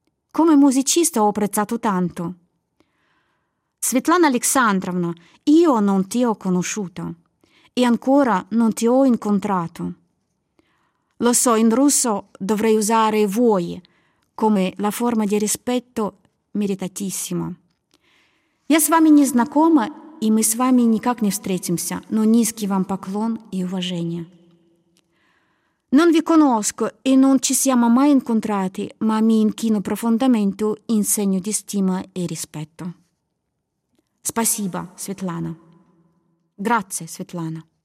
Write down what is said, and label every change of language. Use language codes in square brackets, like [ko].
[it] Come musicista ho apprezzato tanto. Svetlana Alexandrovna, io non ti ho conosciuta. E ancora non ti ho incontrato. Lo so, in russo dovrei usare voi come la forma di rispetto meritatissima. [ru] Я с вами не знакома, и мы с вами никак не встретимся, но низкий вам поклон и уважение. [it] Non vi conosco e non ci siamo mai incontrati, ma mi inchino profondamente in segno di stima e rispetto. [ru] Спасибо, Светлана. [it] Grazie, Svetlana.